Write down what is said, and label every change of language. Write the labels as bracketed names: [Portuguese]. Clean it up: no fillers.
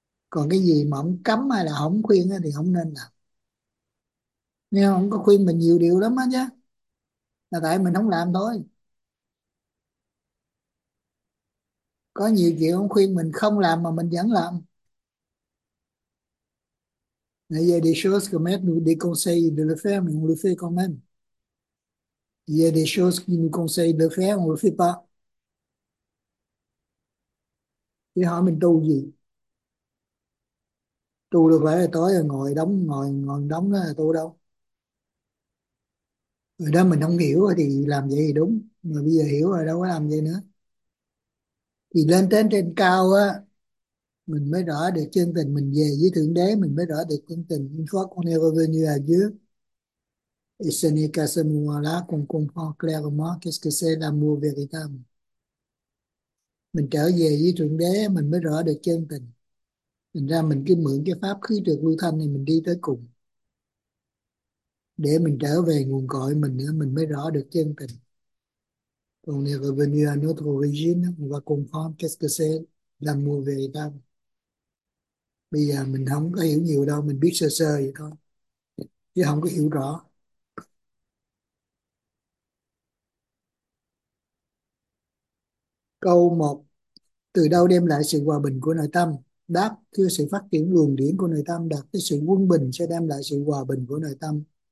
[Vietnamese] Còn cái gì mà ổng cấm hay là ổng khuyên đó, thì không nên làm. Nhưng ổng có khuyên mình nhiều điều lắm á chứ, là tại mình không làm thôi. Có nhiều chuyện ổng khuyên mình không làm mà mình vẫn làm. [French] Il y a des choses que maître nous déconseille de le faire, mais on le fait quand même. Il y a des choses qu'il nous conseille de faire, on ne le fait pas. [Vietnamese] Thì hỏi mình tu gì? Tu được phải là tối rồi ngồi đóng, ngồi đóng đó là tu đâu. Rồi đó mình không hiểu thì làm vậy thì đúng. Mà bây giờ hiểu rồi đâu có làm vậy nữa. Thì lên trên trên cao á, mình mới rõ được chân tình, mình về với Thượng Đế mình mới rõ được chân tình. [French] Une fois qu'on est revenu à Dieu, et ce n'est qu'à ce moment-là qu'on comprend clairement qu'est-ce que c'est l'amour véritable. [Vietnamese] Mình trở về với Thượng Đế mình mới rõ được chân tình. Thành ra mình cứ mượn cái pháp khứ trượt lưu thanh này mình đi tới cùng. Để mình trở về nguồn cội mình nữa, mình mới rõ được chân tình. [French] On est revenu à notre origine, on va comprendre qu'est-ce que c'est l'amour véritable. [Vietnamese] Bây giờ mình không có hiểu nhiều đâu, mình biết sơ sơ vậy thôi chứ không có hiểu rõ. Câu 1: từ đâu đem lại sự hòa bình của nội tâm? Đáp: thưa, sự phát triển luồng điển của nội tâm đạt tới sự quân bình sẽ đem lại sự hòa bình của nội tâm.